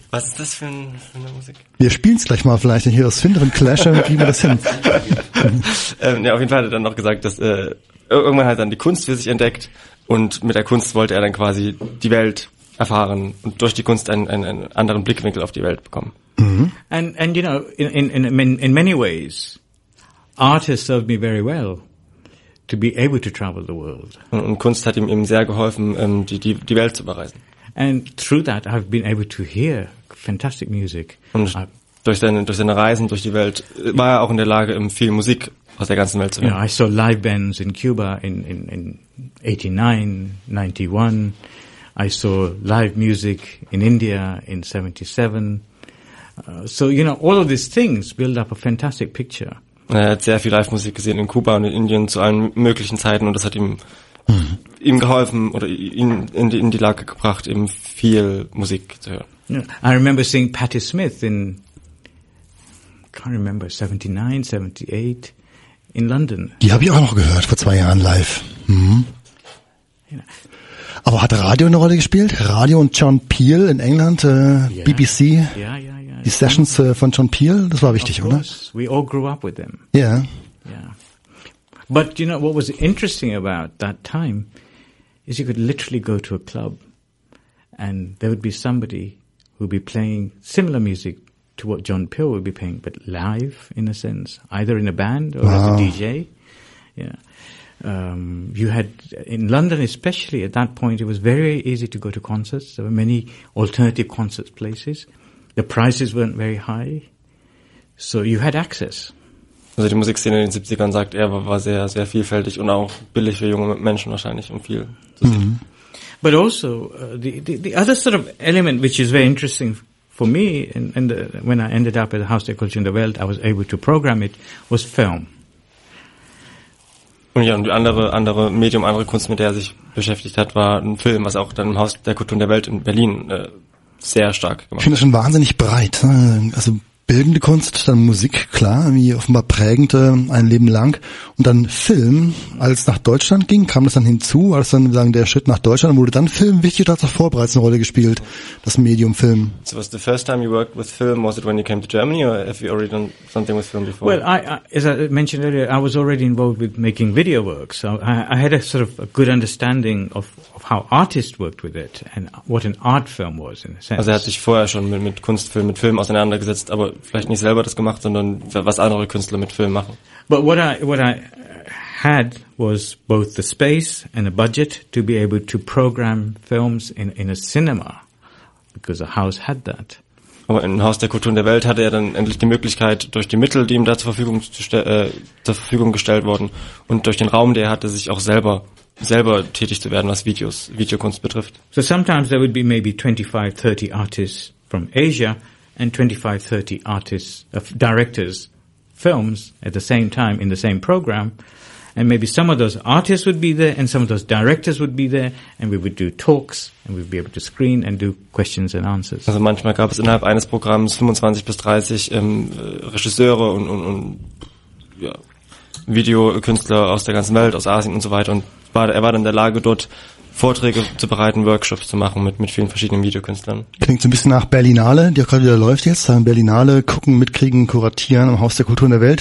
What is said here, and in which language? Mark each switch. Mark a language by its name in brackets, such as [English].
[German] Was ist das für eine Musik? Wir spielen es gleich mal vielleicht, wenn ich was finde von Clash, dann kriegen wir das hin. auf jeden Fall hat er dann noch gesagt, dass irgendwann hat dann die Kunst für sich entdeckt und mit der Kunst wollte er dann quasi die Welt erfahren und durch die Kunst einen anderen Blickwinkel auf die Welt bekommen. Mm-hmm. [English] And you know, in many ways, art has served me very well to be able to travel the world. [German] Und Kunst hat ihm eben sehr geholfen, die Welt zu bereisen. [English] And through that, I've been able to hear fantastic music. [German] Und durch seine Reisen durch die Welt war er auch in der Lage, viel Musik aus der ganzen Welt zu hören. [English] You know, I saw live bands in Cuba in 89, 91. I saw live music in India in 77. So, you know, all of these things build up a fantastic picture. [German] Er hat sehr viel Live-Musik gesehen in Kuba und in Indien zu allen möglichen Zeiten und das hat ihm ihm geholfen oder ihn in die Lage gebracht, eben viel Musik zu hören. [English] Yeah. I remember seeing Patti Smith in, I can't remember, 79, 78, in London. [German] Die habe ich auch noch gehört, vor zwei Jahren live. Mhm. Aber hat Radio eine Rolle gespielt? Radio und John Peel in England, BBC? Ja, ja. Die Sessions von John Peel, das war wichtig, oder? [English] We all grew up with them. Yeah. Yeah. But you know what was interesting about that time is you could literally go to a club and there would be somebody who would be playing similar music to what John Peel would be playing, but live in a sense, either in a band or as a DJ. Yeah. You had in London, especially at that point, it was very, very easy to go to concerts. There were many alternative concert places. The prices weren't very high, so you had access. [German] Also die Musikszene in den 70ern, sagt er, war sehr, sehr vielfältig und auch billig für junge Menschen wahrscheinlich, um viel zu sehen. Mm-hmm. [English] But also, the other sort of element, which is very interesting for me, and when I ended up at the House of Culture in the Welt, I was able to program it, was film. [German] Und ja, und die andere Medium, andere Kunst, mit der er sich beschäftigt hat, war ein Film, was auch dann im Haus der Kultur in der Welt in Berlin sehr stark gemacht. Ich finde das schon wahnsinnig breit. Also bildende Kunst, dann Musik, klar, wie offenbar prägende ein Leben lang. Und dann Film, als nach Deutschland ging, kam das dann hinzu, als dann sagen der Schritt nach Deutschland, wurde dann Film wichtig, da hat es vorher bereits eine Rolle gespielt, das Medium Film. [English] So was the first time you worked with film, was it when you came to Germany or have you already done something with film before? Well, I, as I mentioned earlier, I was already involved with making video work, so I had a sort of a good understanding of how artists worked with it and what an art film was in a sense. [German] Also er hat sich vorher schon mit Kunstfilm, mit Film auseinandergesetzt, aber vielleicht nicht selber das gemacht, sondern was andere Künstler mit Film machen. [English] But what I had was both the space and a budget to be able to program films in a cinema, because the house had that. [German] Aber im Haus der Kultur in der Welt hatte er dann endlich die Möglichkeit, durch die Mittel, die ihm da zur Verfügung gestellt wurden, und durch den Raum, der er hatte, sich auch selber tätig zu werden, was Videokunst betrifft. [English] So sometimes there would be maybe 25, 30 artists from Asia and 25, 30 artists, directors, films at the same time in the same program, and maybe some of those artists would be there and some of those directors would be there and we would do talks and we'd be able to screen and do questions and answers. [German] Also manchmal gab es innerhalb eines Programms 25 bis 30 Regisseure und ja, Videokünstler aus der ganzen Welt, aus Asien und so weiter, und er war dann in der Lage, dort Vorträge zu bereiten, Workshops zu machen mit vielen verschiedenen Videokünstlern. Klingt so ein bisschen nach Berlinale, die auch gerade wieder läuft jetzt. Sagen Berlinale, gucken, mitkriegen, kuratieren im Haus der Kultur in der Welt.